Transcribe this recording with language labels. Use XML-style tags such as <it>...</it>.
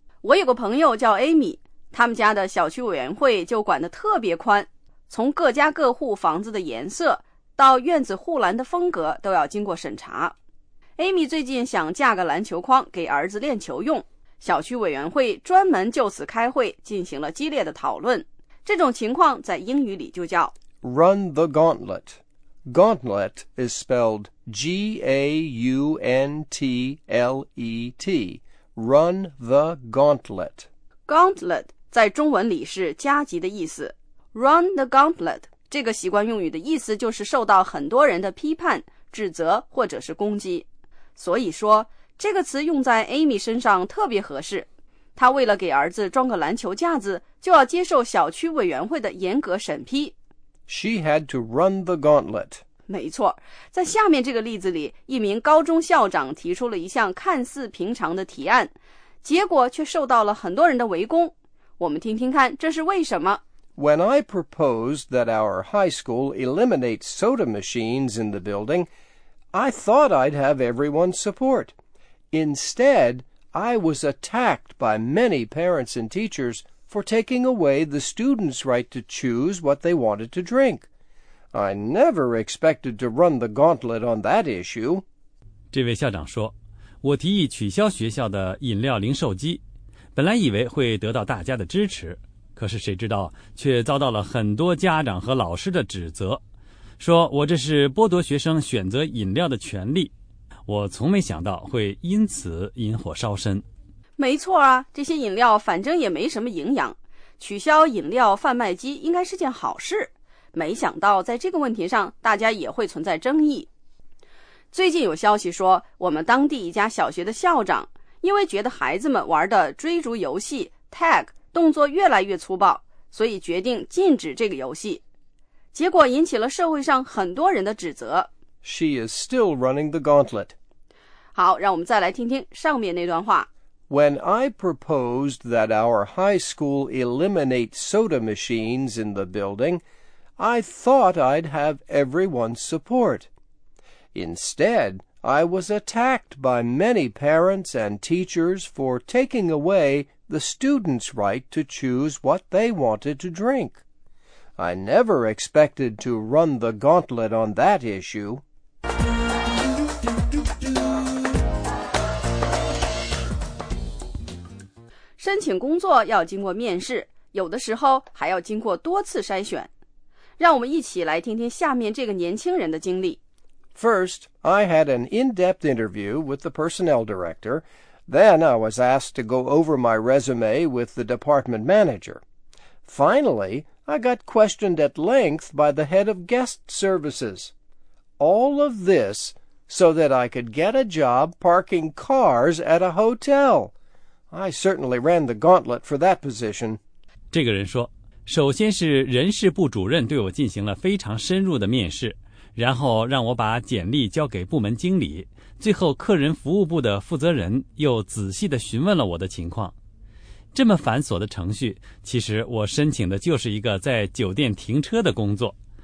<zh>我有个朋友叫 Amy， 他们家的小区委员会就管得特别宽，从各家各户房子的颜色到院子护栏的风格都要经过审查。 Amy 最近想架个篮球框给儿子练球用，小区委员会专门就此开会进行了激烈的讨论。这种情况在英语里就叫</zh> <en>Run the gauntlet. Gauntlet is spelled G-A-U-N-T-L-E-T. Run the gauntlet.</en> <zh>Gauntlet 在中文里是加急的意思。</zh> <en>Run the gauntlet</en> <zh>这个习惯用语的意思就是受到很多人的批判、指责或者是攻击。所以说，这个词用在 Amy 身上特别合适。他为了给儿子装个篮球架子，就要接受小区委员会的严格审批。</zh> <en>She had to run the gauntlet.</en> <zh>没错，在下面这个例子里，一名高中校长提出了一项看似平常的提案，结果却受到了很多人的围攻。我们听听看，这是为什么？</zh> <en>When I proposed that our high school eliminate soda machines in the building,I thought I'd have everyone's support. Instead, I was attacked by many parents and teachers for taking away the students' right to choose what they wanted to drink. I never expected to run the gauntlet on that issue.</en> <zh>这位校长说，我提议取消学校的饮料零售机，本来以为会得到大家的支持，可是谁知道却遭到了很多家长和老师的指责。说我这是剥夺学生选择饮料的权利，我从没想到会因此引火烧身。没错啊，这些饮料反正也没什么营养，取消饮料贩卖机应该是件好事。没想到在这个问题上，大家也会存在争议。最近有消息说，我们当地一家小学的校长，因为觉得孩子们玩的追逐游戏 Tag 动作越来越粗暴，所以决定禁止这个游戏。结果引起了社会上很多人的指责。</zh> <en>She is still running the gauntlet.</en> <zh>好，让我们再来听听上面那段话。</zh> <en>When I proposed that our high school eliminate soda machines in the building, I thought I'd have everyone's support. Instead, I was attacked by many parents and teachers for taking away the students' right to choose what they wanted to drink. I never expected to run the gauntlet on that issue.</en> <zh>申请工作要经过面试，有的时候还要经过多次筛选。让我们一起来听听下面这个年轻人的经历。</zh> <en>First, I had an in-depth interview with the personnel director. Then I was asked to go over my resume with the department manager. Finally, I got questioned at length by the head of guest services. All of this so that I could get a job parking cars at a hotel. I certainly ran the gauntlet for that position.</en> <zh>这个人说，首先是人事部主任对我进行了非常深入的面试，然后让我把简历交给部门经理，最后客人服务部的负责人又仔细地询问了我的情况。这么繁琐的程序，其实我申请的就是一个在酒店停车的工作。</zh>